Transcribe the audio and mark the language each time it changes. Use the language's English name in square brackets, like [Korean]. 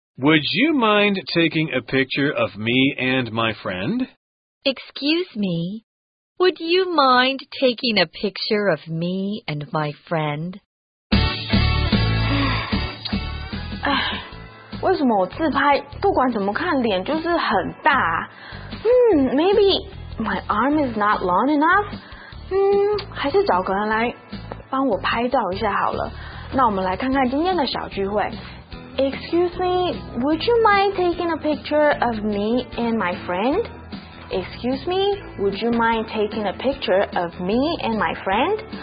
[English] Would you mind taking a picture of me and my friend? Excuse me. Would you mind taking a picture of me and my friend? [Chinese] 为什么我自拍不管怎么看脸就是很大？ [English] Maybe my arm is not long enough? [Chinese] 还是找个人来帮我拍照一下好了。那我们来看看今天的小聚会。 [English] Excuse me, would you mind taking a picture of me and my friend? Excuse me, would you mind taking a picture of me and my friend?